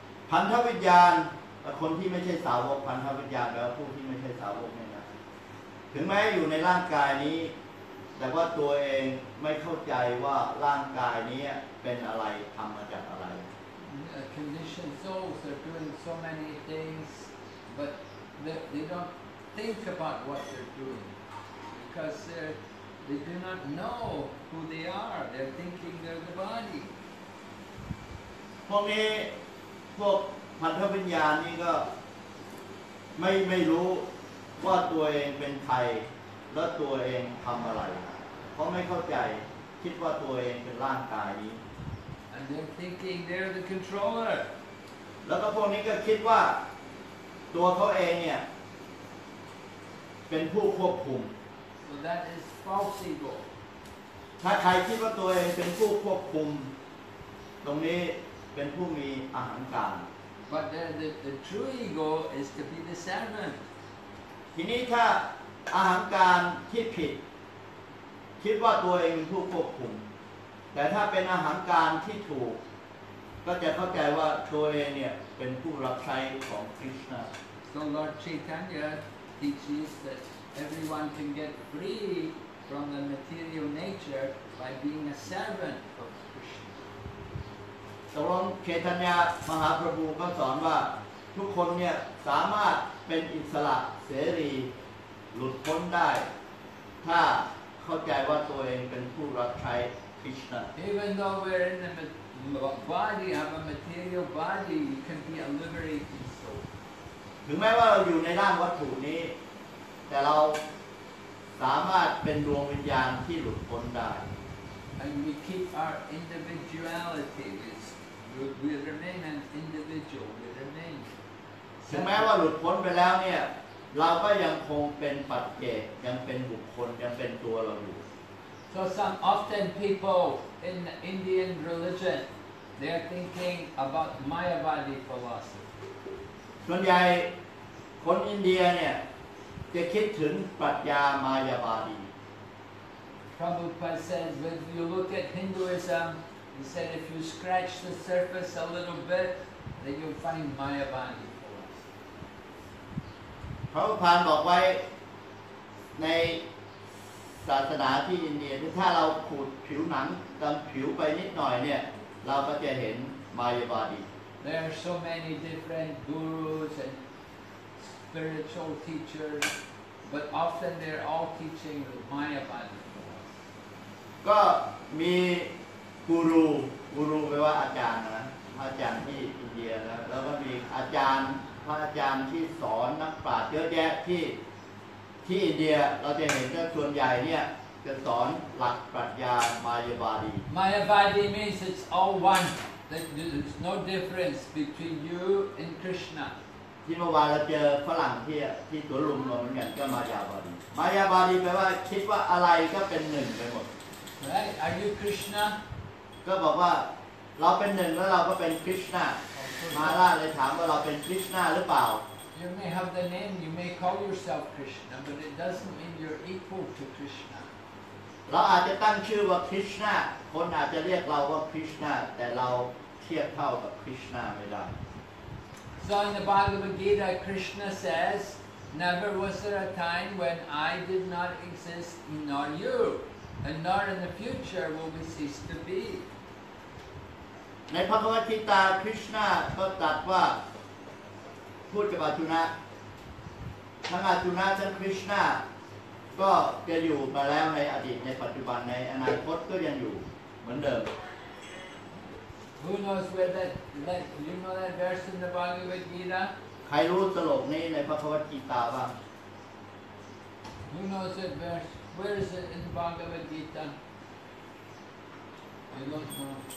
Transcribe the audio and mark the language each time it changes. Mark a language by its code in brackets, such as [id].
[th] พันธวิญญาณคนที่ไม่ใช่สาวกพันธวิญญาณแล้วผู้ที่ไม่ใช่สาวกเนี่ยนะถึงแม้อยู่ในร่างกายนี้แต่ว่าตัวเองไม่เข้าใจว่าร่างกายนี้เป็นอะไรทำมาจากอะไร [en] conditioned souls are doing so many things but they don't think about what they're doing because they do not know who they are they're thinking they're the body [th] พวกนี้พวกพันธวิญญาณนี่ก็ไม่รู้ว่าตัวเองเป็นใครแล้วตัวเองทำอะไรเพราะไม่เข้าใจคิดว่าตัวเองเป็นร่างกายนี้ [en] And they're thinking they're the controller [th] แล้วก็พวกนี้ก็คิดว่าตัวเขาเองเนี่ยเป็นผู้ควบคุม [en] So that is false ego [th] ถ้าใครคิดว่าตัวเองเป็นผู้ควบคุมตรงนี้เป็นผู้มีอหังการ [en] But the true ego is to be the servant [th] ทีนี้ถ้าอาหารการคิดผิดคิดว่าตัวเองเป็นผู้ควบคุมแต่ถ้าเป็นอาหารการที่ถูกก็จะเข้าใจว่าตัวเองเนี่ยเป็นผู้รับใช้ของคริสต์ [en] So Lord Chaitanya teaches that everyone can get free from the material nature by being a servant of Krishna [th] ตรงเชตัญญามหาประภูก็สอนว่าทุกคนเนี่ยสามารถเป็นอิสระเสรีหลุดพ้นได้ถ้าเข้าใจว่าตัวเองเป็นผู้รับใช้คริสต์ [en] Even though we're in the body, have a material body, we can be a liberated soul. [th] ถึงแม้ว่าเราอยู่ในร่างวัตถุนี้แต่เราสามารถเป็นดวงวิญญาณที่หลุดพ้นได้ [en] And we keep our individuality. We remain an individual. We remain. [th] ถึงแม้ว่าหลุดพ้นไปแล้วเนี่ยเราก็ยังคงเป็นปัจเจกยังเป็นบุคคลยังเป็นตัวเราอยู่ [en] So some often people in the Indian religion they are thinking about Mayavadi philosophy [th] ส่วนใหญ่คนอินเดียเนี่ยจะคิดถึงปรัชญามายาวาดี [en] Prabhupada says when you look at Hinduism he said if you scratch the surface a little bit then you'll find Mayavadi [th] พระพุทธานบอกไว้ในศาสนาที่อินเดียถ้าเราขูดผิวหนังดำผิวไปนิดหน่อยเนี่ยเราก็จะเห็นมายาวาดี [en] There are so many different gurus and spiritual teachers but often they're all teaching Mayavadi [th] ก็มีกูรูแปลว่าอาจารย์นะอาจารย์ที่อินเดียนะแล้วก็มีอาจารย์พระอาจารย์ที่สอนนักปราชญ์เยอะแยะที่อินเดียเราจะเห็นว่าส่วนใหญ่เนี่ยจะสอนหลักปรัชญามายาวาดี [en] Mayavadi means it's all one there's no difference between you and Krishna [th] ที่เมื่อวานเราเจอฝรั่งที่สวนลุมเราเหมือนกันก็มายาวาดีแปลว่าคิดว่าอะไรก็เป็นหนึ่งไปหมด [en] Right are you Krishna [th] ก็บอกว่าเราเป็นหนึ่งแล้วเราก็เป็นคริสต์นามาราเลยถามว่าเราเป็นคริสต์นาหรือเปล่า [en] You may have the name, you may call yourself Krishna, but it doesn't mean you're equal to Krishna. [th] เราอาจจะตั้งชื่อว่าคริสต์นาคนอาจจะเรียกเราว่าคริสต์นาแต่เราเทียบเท่ากับคริสต์นาไม่ได้ [en] So in the Bhagavad Gita, Krishna says, "Never was there a time when I did not exist, nor you, and nor in the future will we cease to be." [th] ในพระภาวกิตาคริสนาก็ตรัสว่าพูดกับอาจุนะทั้งอาจุนะทั้งคริสนาก็จะอยู่มาแล้วในอดีตในปัจจุบันในอนาคตก็ยังอยู่เหมือนเดิม [en] Who knows where that you know that verse in the Bhagavad Gita [th] ใครรู้ตลกนี้ในพระภาวกิตาบ้าง [en] Who knows that verse Where is it in the Bhagavad Gita I don't know.